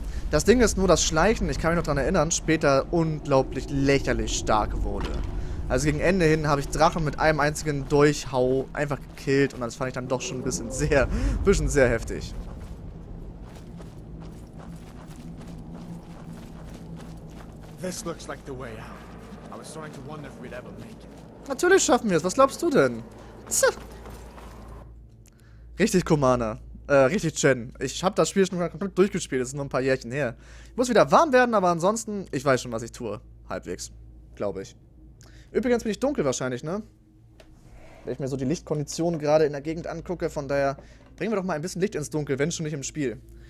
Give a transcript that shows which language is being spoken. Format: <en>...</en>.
<de>Das Ding ist nur, das Schleichen, ich kann mich noch daran erinnern, später unglaublich lächerlich stark wurde. Also gegen Ende hin habe ich Drachen mit einem einzigen Durchhau einfach gekillt und das fand ich dann doch schon ein bisschen sehr heftig.</de> <en>This looks like the way out. I was starting to wonder if we'd ever make it.</en> <de>Natürlich schaffen wir es. Was glaubst du denn? Zah. Richtig, Kumana. Richtig, Chen. Ich habe das Spiel schon komplett durchgespielt. Es ist nur ein paar Jährchen her. Ich muss wieder warm werden, aber ansonsten, ich weiß schon, was ich tue. Halbwegs. Glaube ich. Übrigens bin ich dunkel wahrscheinlich, ne? Wenn ich mir so die Lichtkonditionen gerade in der Gegend angucke, von daher bringen wir doch mal ein bisschen Licht ins Dunkel, wenn schon nicht im Spiel.</de>